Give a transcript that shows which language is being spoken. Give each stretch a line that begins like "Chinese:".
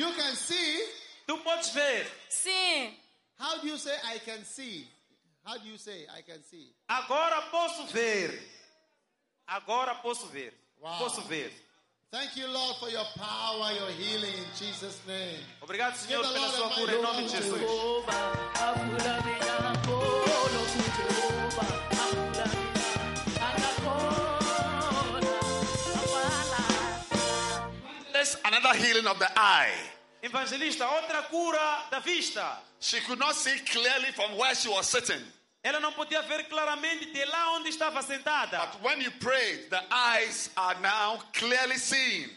English: You can see.
Portuguese: Tu Tu podes ver. Sim.
English: How do you say I can see? How do you say I can see?
Portuguese: Agora posso ver. Agora posso ver.
English: Wow.
Portuguese: Posso ver.
English: Thank you, Lord, for your power, your healing in Jesus' name.
Portuguese: Obrigado, Senhor, pela sua cura em nome de Jesus.
English: There's another healing of the eye.
Portuguese: Evangelista, outra cura da vista.
English: She could not see clearly from where she was sitting.
Portuguese: Ela não podia ver claramente de lá onde estava sentada.
English: But when you prayed, the eyes are now clearly seen.